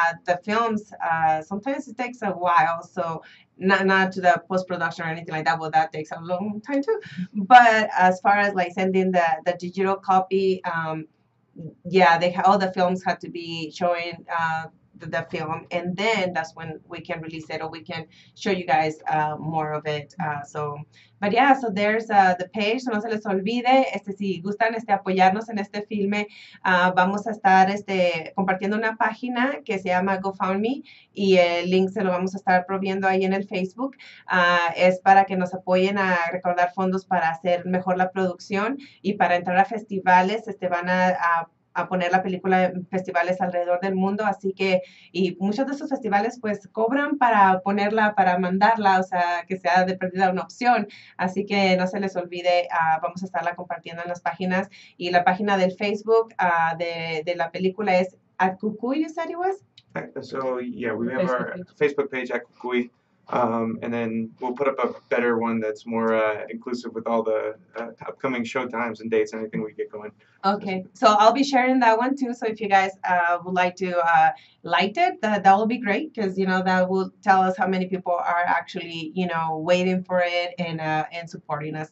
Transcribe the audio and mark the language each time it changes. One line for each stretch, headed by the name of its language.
English: The films, sometimes it takes a while, so... Not to the post-production or anything like that, but that takes a long time too. But as far as like sending the digital copy, all the films have to be showing the film, and then that's when we can release it or we can show you guys more of it. So there's the page.
Spanish: No se les olvide. Si gustan apoyarnos en este filme, vamos a estar compartiendo una página que se llama GoFundMe, y el link se lo vamos a estar proviendo ahí en el Facebook. Es para que nos apoyen a recaudar fondos para hacer mejor la producción y para entrar a festivales. Van a poner la película en festivales alrededor del mundo, así que, y muchos de esos festivales pues cobran para ponerla, para mandarla, o sea, que sea de perdida una opción, así que no se les olvide, vamos a estarla compartiendo en las páginas, y la página del Facebook de la película es At Cucuy,
English: you said it was? So, yeah, we have Facebook our page. Facebook page, At Cucuy, and then we'll put up a better one that's more inclusive with all the upcoming show times and dates, anything we get going. Okay, so I'll be sharing that one too. So if you guys would like to like it, that will be great, because you know that will tell us how many people are actually, you know, waiting for it and supporting us.